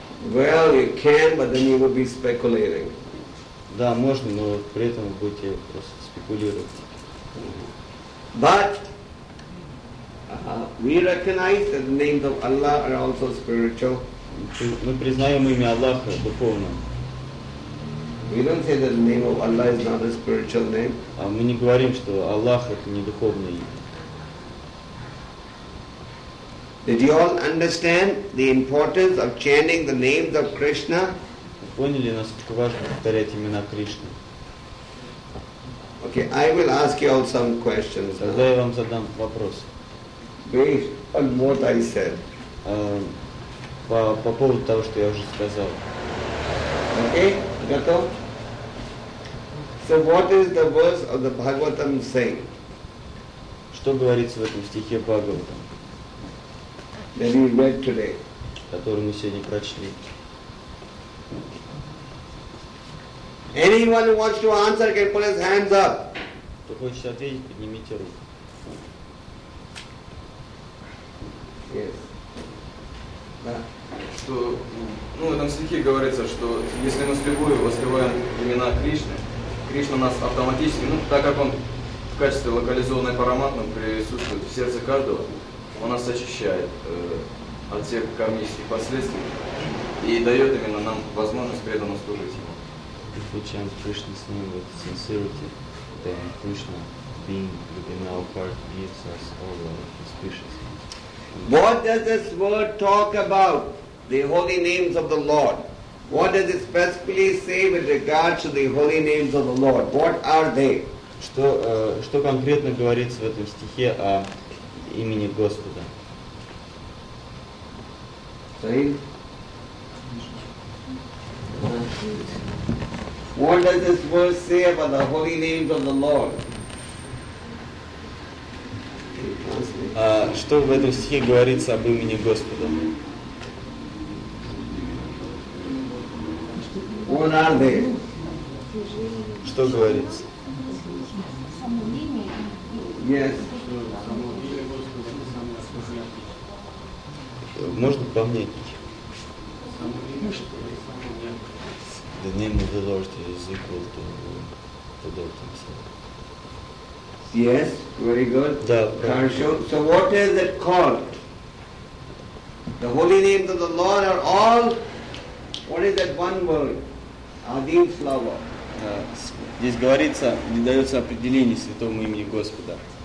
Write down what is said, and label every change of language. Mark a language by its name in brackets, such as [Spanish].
[English] Well, you can, but then you will be speculating. [Russian] Да, можно, но при этом будете просто спекулировать. [English] But we recognize that the names of Allah are also spiritual. [Russian] Мы признаем имя Аллаха духовным. [English] We don't say that the name of Allah is not a spiritual name. [Russian] А мы не говорим, что Аллах это не духовное имя. [English] Did you all understand the importance of chanting the names of Krishna? [Russian] Поняли, насколько важно повторять имена Кришны? [English] Okay, I will ask you all some questions. [Russian] Тогда я вам задам вопрос. [English] Based on what I said. [Russian] По поводу того, что я уже сказал. Okay, готов? [English] So what is the verse of the Bhagavatam saying? [Russian] Что говорится в этом стихе Бхагаватам? [English] That we read today. [Russian] Который мы сегодня прочли. [English] Anyone who wants to answer can put his hands up. [Russian] Кто хочет ответить, поднимите руку. [English] Yes. [Russian] Да. Что, ну, в этом стихе говорится, что если мы слепую воспеваем имена Кришны, Кришна нас автоматически, ну, так как он в качестве локализованной параматмы присутствует в сердце каждого, он нас очищает от всех кармических последствий и дает именно нам возможность преданно служить ему. [English] If we chant Krishna [Russian] с ним [English] with sincerity, then Krishna being within our heart gives us all our auspicious. What does this word talk about? The holy names of the Lord. What does it specifically say with regards to the holy names of the Lord? What are they? [Russian] Что конкретно говорится в этом стихе о имени Господа? [English] What does this verse say about the holy names of the Lord? [Russian] Что в этом стихе говорится об имени Господа? [English] What are they? [Russian] Что говорится? [English] Yes. [Russian] Можно помнить? [English] The name of the Lord is equal to the Lord himself. Yes, very good. So what is it called? The holy names of the Lord are all, what is that one word? Adim Slava. [Russian] Здесь говорится, дается определение святому имени Господа.